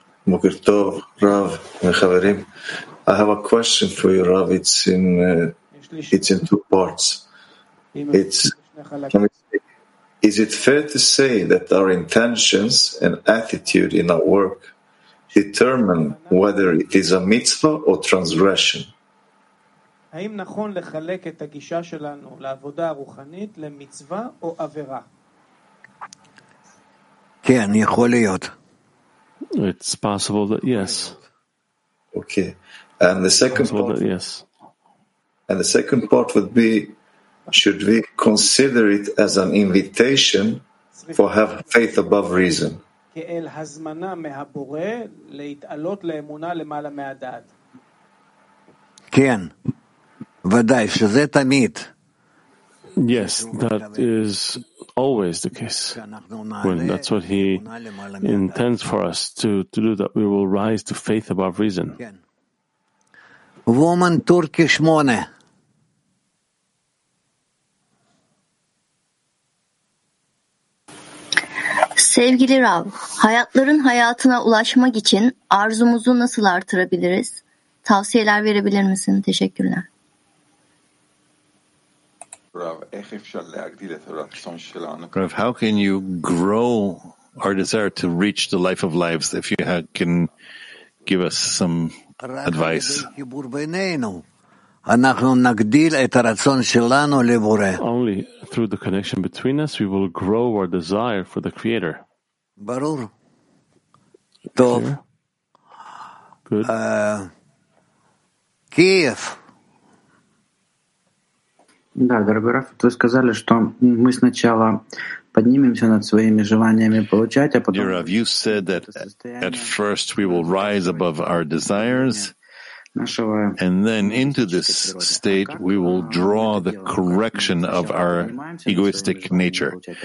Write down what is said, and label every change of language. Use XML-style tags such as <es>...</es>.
<en>Boker Tov, Rav, Mechaverim. I have a question for you, Rav. It's in two parts. It's Is it fair to say that our intentions and attitude in our work determine whether it is a mitzvah or transgression?</en> <he>האם נכון לחלק את הגישה שלנו לעבודה רוחנית למצווה או עבירה? כן, יכול להיות.</he> <en>It's possible that yes. Okay. And the second part, yes. And the second part would be, should we consider it as an invitation for have faith above reason?</en> <he>כאל הזמנה מהבורא להתעלות לאמונה למעלה מהדעת. כן. ודאי שזה תמיד.</he> <en>Yes, that is always the case. When that's what he intends for us to do, that we will rise to faith above reason. Woman Turkish Mone.</en> <tr>Sevgili Rav, hayatların hayatına ulaşmak için arzumuzu nasıl artırabiliriz? Tavsiyeler verebilir misin? Teşekkürler.</tr> <en>Rav, how can you grow our desire to reach the life of lives if you can give us some advice? Only through the connection between us we will grow our desire for the Creator.</en> <he>Barur. Tov.</he> <en>Good. Kiev.</en> <ru>Да, дорогой Раф, вы сказали, что мы сначала поднимемся над своими желаниями получать, а потом...</ru> <en>Dear Raf, you said that at first we will rise above our desires, and then into this state we will draw the correction of our egoistic nature.</en>